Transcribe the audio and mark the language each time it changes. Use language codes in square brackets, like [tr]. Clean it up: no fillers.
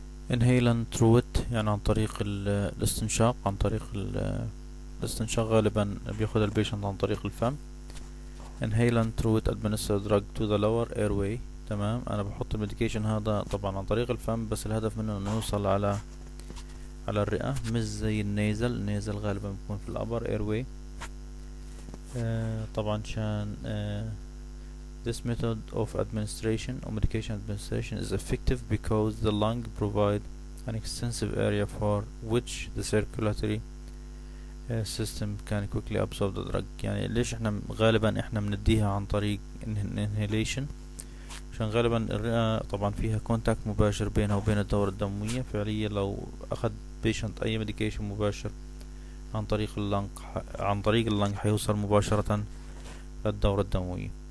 [en] inhalant through، [ar] يعني عن طريق الاستنشاق، عن طريق الاستنشاق غالبا بياخد البيشنت عن طريق الفم. [en] inhalant through administer drug to the lower airway، [ar] تمام، انا بحط الميديكيشن هذا طبعا عن طريق الفم، بس الهدف منه انه يوصل على الرئة، مش زي النيزل. النيزل غالبا بيكون في الابر airway. طبعا شان [en] this method of administration or medication administration is effective because the lung provide an extensive area for which the circulatory system can quickly absorb the drug. [ar] يعني ليش احنا غالبا احنا بنديها عن طريق inhalation؟ عشان غالبا الرئة طبعا فيها contact مباشر بينها وبين الدورة الدموية، فعليا لو اخذ patient اي medication مباشر عن طريق اللنج حيوصل مباشرة للدورة الدموية.